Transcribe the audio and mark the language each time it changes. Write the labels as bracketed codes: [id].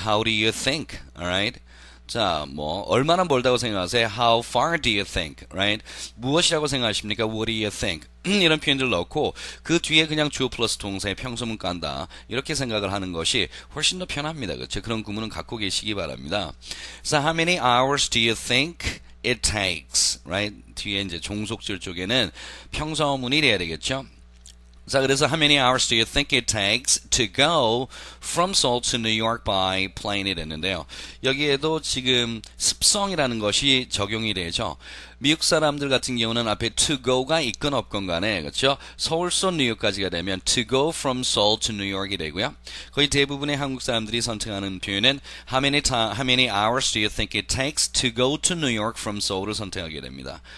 [en] How do you think? Alright? [ko] 자, 뭐 얼마나 멀다고 생각하세요? [en] How far do you think? Right? [ko] 무엇이라고 생각하십니까? [en] What do you think? [ko] 이런 표현들 넣고 그 뒤에 그냥 주어 플러스 동사에 평소문 깐다 이렇게 생각을 하는 것이 훨씬 더 편합니다. 그렇죠? 그런 구문은 갖고 계시기 바랍니다. [en] So how many hours do you think it takes? Right? [ko] 뒤에 이제 종속절 쪽에는 평소문이 돼야 되겠죠? 자, 그래서 [en] how many hours do you think it takes to go from Seoul to New York by plane이 됐는데요. [ko] 여기에도 지금 습성이라는 것이 적용이 되죠. 미국 사람들 같은 경우는 앞에 to go가 있건 없건 간에, 그렇죠? [en] 서울 to 뉴욕까지가 되면 to go from Seoul to New York이 되고요. [ko] 거의 대부분의 한국 사람들이 선택하는 표현은 [en] how many hours do you think it takes to go to New York from Seoul을 선택하게 됩니다.